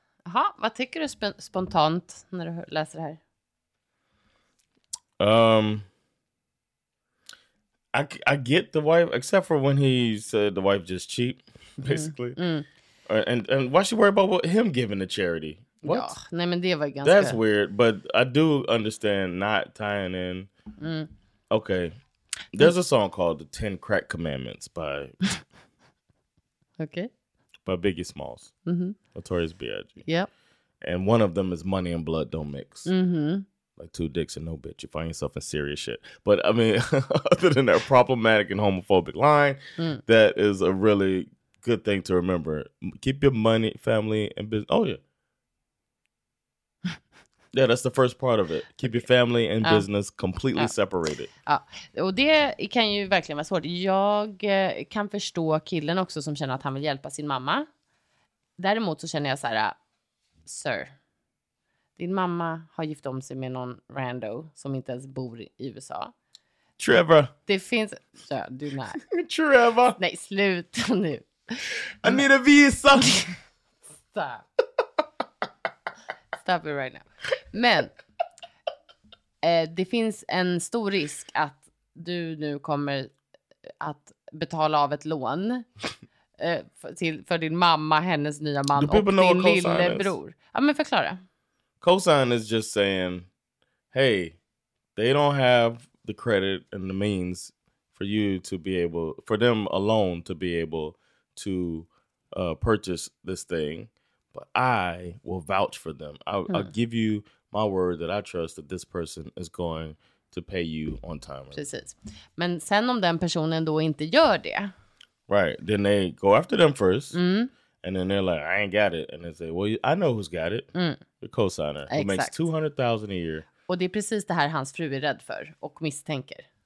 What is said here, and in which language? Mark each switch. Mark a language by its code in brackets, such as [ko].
[sv] Jaha, vad tycker du spontant när du läser det här? [en] I get the wife, except for when he said the wife just cheap, basically. And why should worry about him giving the charity? What? [sv] Ja, nej, men det var ganska... [en] That's weird, but I do understand not tying in. Okay. There's a song called The Ten Crack Commandments by by Biggie Smalls. Notorious B.I.G. Yep. And one of them is Money and Blood Don't Mix. Mm-hmm. Like two dicks and no bitch. You find yourself in serious shit. But I mean, other than that problematic and homophobic line, that is a really good thing to remember. Keep your money, family, and business. Oh, yeah. Yeah, that's the first part of it. Keep your family and business completely separated. [sv] Ja, och det kan ju verkligen vara svårt. Jag kan förstå killen också som känner att han vill hjälpa sin mamma. Däremot så känner jag så här, sir, din mamma har gift om sig med någon rando som inte ens bor i USA. Trevor. Det finns... Ja, du när. Trevor. Nej, slut nu. [en] I need a visa. Stop it right now. [sv] Men det finns en stor risk att du nu kommer att betala av ett lån för din mamma, hennes nya man och din lillebror. Ja, men förklara. [en] Cosign is just saying, hey, they don't have the credit and the means for you to be able, for them alone to be able to purchase this thing. But I will vouch for them. I'll give you my word that I trust that this person is going to pay you on time. [sv] Precis. Men sen om den personen då inte gör det. [en] Right. Then they go after them first. Mm. And then they're like, I ain't got it. And they say, well, I know who's got it. Mm. The cosigner. [sv] Exakt. [en] Who makes $200,000 a year. [sv] Och det är precis det här hans fru är rädd för och misstänker.